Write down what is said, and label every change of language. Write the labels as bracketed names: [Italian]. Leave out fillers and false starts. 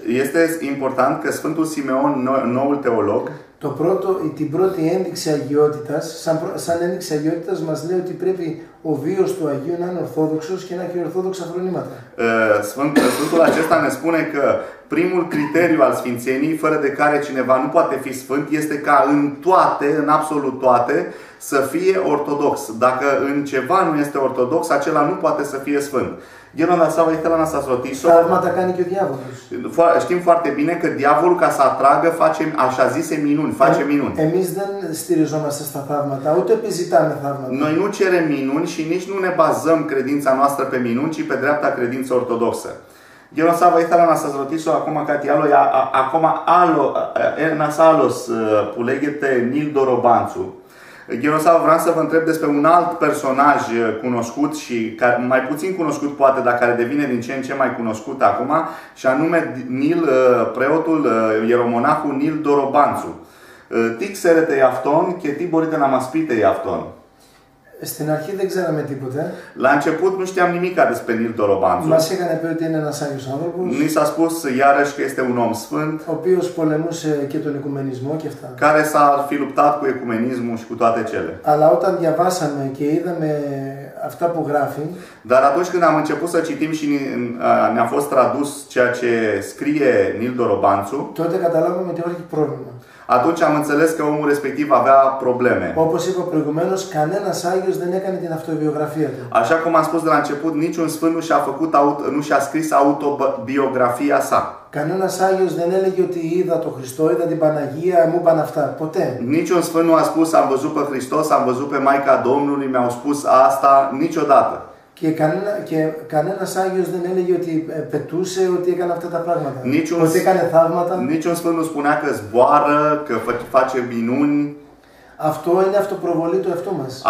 [Romanian] Este important că Sfântul Simeon, noul teolog, [Greek] το πρώτο, την πρώτη ένδειξη αγιότητας, σαν ένδειξη αγιότητας μας λέει ότι πρέπει ο βίος του Αγίου να είναι ορθόδοξος και να έχει ορθόδοξα φρονήματα. [Romanian] Sfântul acesta ne spune că primul criteriu al sfințeniei, fără de care cineva nu poate fi sfânt, este ca în toate, în absolut toate, să fie ortodox. Dacă în ceva nu este ortodox, acela nu poate să fie sfânt. [Greek] Γέροντα Σάβα, ήθελα να σας ρωτήσω. Πράγματα κάνει και ο διάβολος. [Romanian] Știm foarte bine că diavolul, ca să atragă, face așa zise minuni, face minuni. [Greek] Εμείς δεν στηριζόμαστε στα θαύματα, ούτε επιζητάμε θαύματα. [Romanian] Noi nu cerem minuni și nici nu ne bazăm credința noastră pe minuni, ci pe dreapta credință ortodoxă. [Greek] Γέροντα Σάβα, ήθελα να σας ρωτήσω ακόμα κάτι άλλο. Ακόμα άλλο, ένας άλλος που λέγεται Νίλ Ντορομπάντσου. [Romanian] Γεροσάβα, vreau să vă întreb despre un alt personaj cunoscut și mai puțin cunoscut poate, dar care devine din ce în ce mai cunoscut acum, și anume Nil, preotul, ieromonahul Nil Ντορομπάντσου. [Greek] Τι ξέρετε για αυτόν και τι μπορείτε να μας πείτε για αυτόν? Στην αρχή δεν ξέραμε τίποτε. [Romanian] La început nu știam nimica despre Nil Ντορομπάντσου. [Greek] Μας είχανε πει ότι είναι ένας άγιος άνθρωπος. [Romanian] Ni s-a spus iarăși că este un om sfânt. [Greek] Ο οποίος πολεμούσε και τον οικουμενισμό και αυτά. [Romanian] Care s-a fi luptat cu ecumenismul și cu toate cele. [Greek] Αλλά όταν διαβάσαμε και είδαμε αυτά που γράφει. [Romanian] Dar atunci când am început să citim și ne-a fost tradus ceea ce scrie Nil Ντορομπάντσου. [Greek] Τότε καταλάβαμε ότι υπάρχει πρόβλημα. [Romanian] Atunci am înțeles că omul respectiv avea probleme. [Greek] Όπως είπα προηγουμένως, κανένας άγιος δεν έκανε την αυτοβιογραφία του. [Romanian] Așa cum am spus de la început, niciun sfânt nu și-a scris autobiografia sa. [Greek] Κανένας άγιος δεν έλεγε ότι είδα τον Χριστό, είδα την Παναγία, μου είπαν αυτά. Ποτέ. [Romanian] Niciun sfânt nu a spus am văzut pe Χριστός, am văzut pe Maica Domnului, mi-au spus asta niciodată. [Greek] Και κανένας άγιος δεν έλεγε ότι πετούσε, ότι έκανε αυτά τα πράγματα. Ότι έκανε θαύματα. [Romanian] Niciun sfânt nu spunea că zboară, că face minuni. [Greek] Αυτό είναι αυτοπροβολή του εαυτού μας.